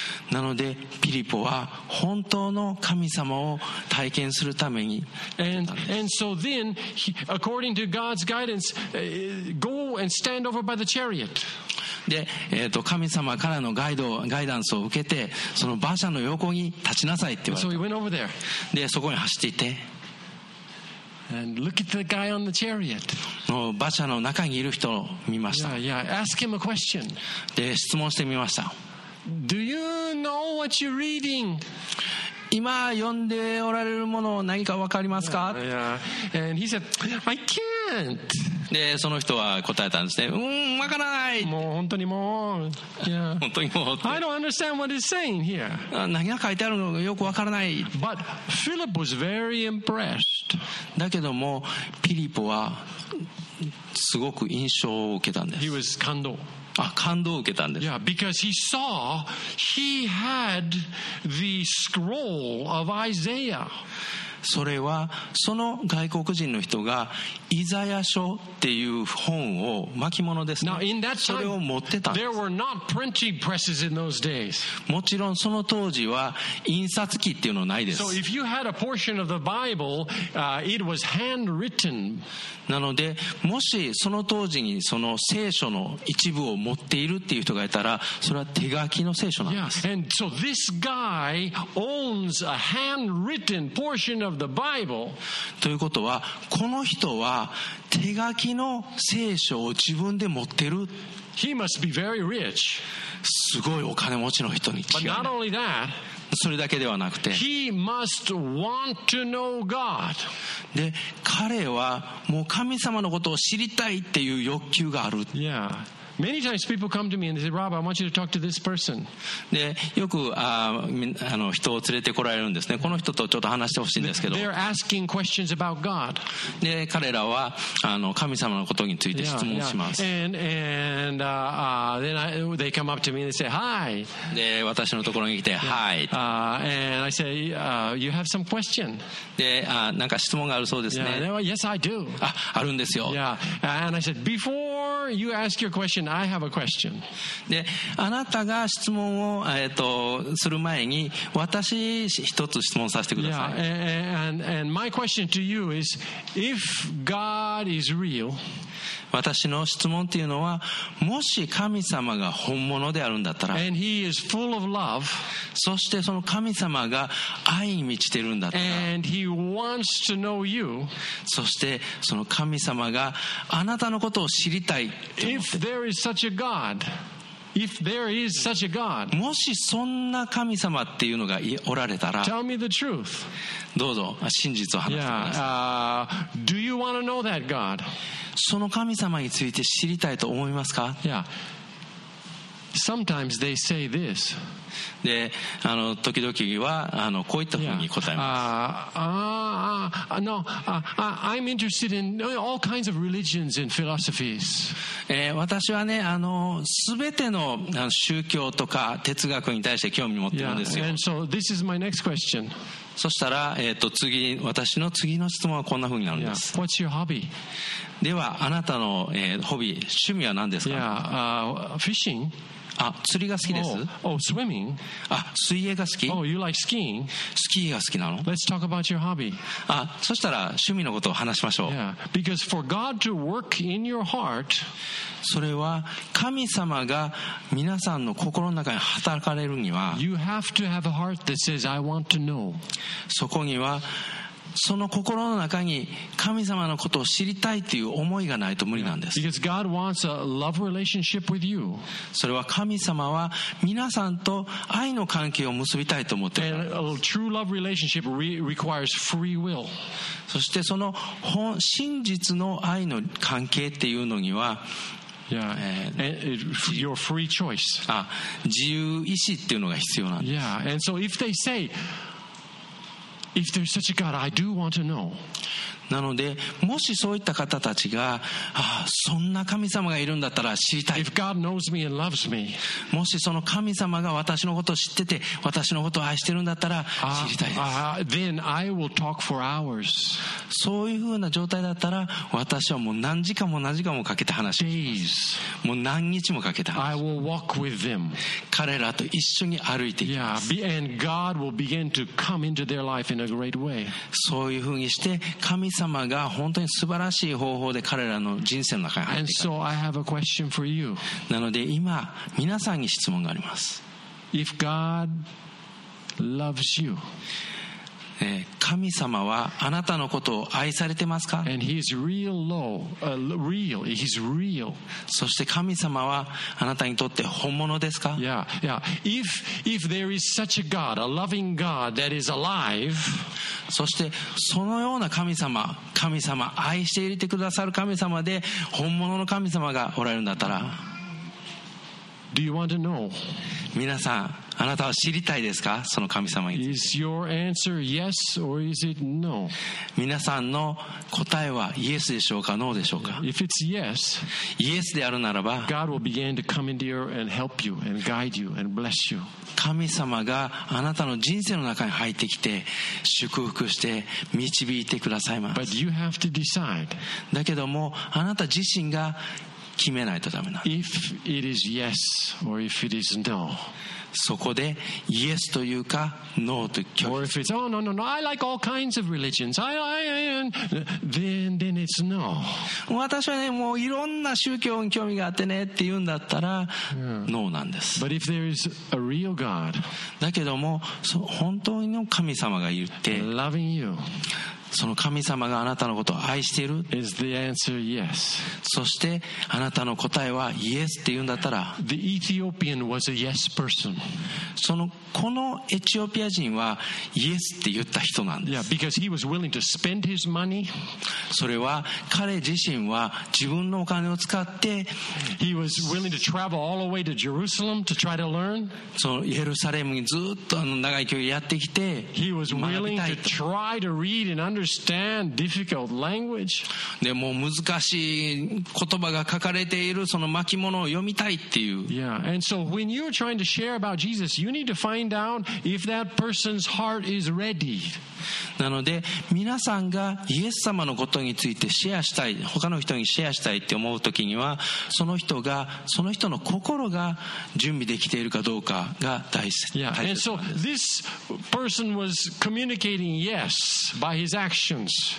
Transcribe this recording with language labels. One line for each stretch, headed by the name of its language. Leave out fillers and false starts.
Japanese: なのでピリポは本当の神様を体験するためにで、神様からのガイダンスを受けてその馬車の横に立ちなさいって言われた。でそこに走っていて
English: And look at the guy on the chariot.
Japanese: 馬車の中にいる人を見ました。
English: Ask him a question.
Japanese: で質問してみました。
English: Do you know what you're reading?
Japanese: 今読んでおられるものを何か分かりますか？
English: And he said, I can't.
Japanese: でその人は答えたんですね。わからない。もう本当にもう、本当にもう。
English: I don't understand what it's saying here.
Japanese: 何が書いてあるのかよくわからない。
English: But Philip was very impressed.
Japanese: だけどもピリポはすごく印象を受けたんです。
English: He was 感動。
Japanese: あ、感動を受けたんです。
English: Yeah, because he saw he had the scroll of Isaiah.
Japanese: それはその外国人の人がイザヤ書っていう本を巻物ですね。
English: Now, time,
Japanese: それを持ってたんです。
English: There were not printing presses in those days.
Japanese: もちろんその当時は印刷機っていうのないです。
English: So if you had a portion of the Bible, it was handwritten.
Japanese: なのでもしその当時にその聖書の一部を持っているっていう人がいたらそれは手書きの聖書なんです。
English: Yes. And so this guy owns a handwritten portion. Of the Bible.
Japanese: ということはこの人は手書きの聖書を自分で持ってる。
English: He must be very rich.
Japanese: すごいお金持ちの人に違いない。
English: But not only that,
Japanese: それだけではなくて
English: He must want to know God.
Japanese: で彼はもう神様のことを知りたいっていう欲求がある。
English: Yeah. Many times people come to me and they say, Rob, I want you to talk to this person.
Japanese: で、よく、人を連れてこられるんですね。この人とちょっと話してほしいんですけど。
English: They're asking questions about God.
Japanese: で、彼らは、神様のことについて質問します。
English: They come up to me and they say, Hi.
Japanese: で、私のところに来て、Hi.
English: And I say, you have some question.
Japanese: で、なんか質問があるそうですね。
English: Yeah, well, yes, I do.
Japanese: あ、あるんですよ。
English: Yeah. And I said, before you ask your question,I have a question.
Japanese: で、あなたが質問を、する前に私一つ質問させてください。
English: Yeah, and my question to you is if God is real
Japanese: 私の質問というのはもし神様が本物であるんだったら
English: and he is full of love,
Japanese: そしてその神様が愛に満ちているんだったら
English: and he wants to know you,
Japanese: そしてその神様があなたのことを知りたいと思って
English: If there is such a God, if there is such a God,
Japanese: もしそんな神様っていうのがおられたら、
English: tell me the truth.
Japanese: どうぞ真実を話してください。
English: Do you want to know that God?
Japanese: その神様について知りたいと思いますか？
English: Yeah. Sometimes they say this.
Japanese: で、時々はこういったふうに答えます。
English: I'm interested in all kinds of religions and philosophies.
Japanese: 私はね、すべての宗教とか哲学に対して興味持ってるんですよ。
English: Yeah. And so this is my next question.
Japanese: そしたら、私の次の質問はこんなふうになるんです。
English: Yeah. What's your hobby?
Japanese: では、あなたの、ホビー、趣味は何ですか？
English: Yeah. Fishing.
Japanese: あ、釣りが好きです。
English: Oh, swimming.
Japanese: あ、水泳が好き。
English: Oh, you like skiing.
Japanese: スキーが好きなの。
English: Let's talk about your hobby.
Japanese: あ、そしたら趣味のことを話しましょう。
English: Yeah. Because for God to work in your heart,
Japanese: それは神様が皆さんの心の中に働かれるには、
English: you have to have a heart that says, I want to know.
Japanese: そこには、その心の中に神様のことを知りたいという思いがないと無理なんです。
English: Because God wants a love relationship with you.
Japanese: それは神様は皆さんと愛の関係を結びたいと思っているからです。
English: And a true love relationship requires free will.
Japanese: そしてその真実の愛の関係っていうのには、
English: Yeah. Your free choice.
Japanese: あ、自由意志っていうのが必要なんです。
English: Yeah. And so if they say, If there's such a God, I do want to know.
Japanese: なのでもしそういった方たちが、ああそんな神様がいるんだったら知りたい、
English: If God knows me and loves me,
Japanese: もしその神様が私のことを知ってて私のことを愛してるんだったら知りたいです、
English: then I will talk for hours.
Japanese: そういうふうな状態だったら私はもう何時間も何時間もかけて話します Days. もう何日もかけて話します、
English: I will walk with them.
Japanese: 彼らと一緒に歩いていきます
English: 、 yeah, and God will begin to come into their life in a great way.
Japanese: そういうふうにして神様が本当に素晴らしい方法で彼らの人生の中に入っていく。So、なので今皆さんに質問があります。
English: If God loves you,
Japanese: 神様はあなたのことを愛されてますか？
English: And he's real low, real, he's real.
Japanese: そして神様はあなたにとって本物ですか？
English: Yeah, yeah. If there is such a God, a loving God that is alive,
Japanese: そしてそのような神様、神様愛して入れてくださる神様で本物の神様がおられるんだったら、
English: Do you want to know?
Japanese: 皆さん、あなたは知りたいですか？その神様について。
English: Is your answer yes or is it no?
Japanese: 皆さんの答えはイエスでしょうか、ノーでしょうか。
English: If it's yes,
Japanese: イエスであるならば、
English: God will begin to come into you and help you and guide you and bless you.
Japanese: 神様があなたの人生の中に入ってきて祝福して導いてくださいます。
English: But you have to decide.
Japanese: だけどもあなた自身が決めないとダメなんです。
English: If it is yes or if it is no.
Japanese: そこでイエスというかノーと拒否。
English: Or if it's oh no no no I like all kinds of religions I then it's no。
Japanese: 私はねもういろんな宗教に興味があってねって言うんだったら、yeah. ノーなんです。
English: But if there is a real God、
Japanese: だけども本当の神様がいて、
English: loving you、
Japanese: その神様があなたのことを愛している。
English: Is the answer yes?
Japanese: そしてあなたの答えはイエスって言うんだったら。
English: The Ethiopian was a yes person.
Japanese: そのこのエチオピア人はイエスって言った人なんです。
English: Yeah, because he was willing to spend his money.
Japanese: それは彼自身は自分のお金を使って。
English: He was willing to travel all the way to Jerusalem to try to learn.
Japanese: そのイエルサレムにずっと長い距離やってきて。
English: He was willing to try to read and understand difficult language.
Japanese: でも難しい言葉が書かれているその巻物を読みたいっていう。
English: Yeah, and so when you're trying to share about Jesus, you need to find out if that person's heart is ready.
Japanese: なので皆さんがイエス様のことについてシェアしたい、他の人にシェアしたいって思うときには、その人が、その人の心が準備できているかどうかが大切です。
English: Yeah. And so this person was communicating yes by his actions.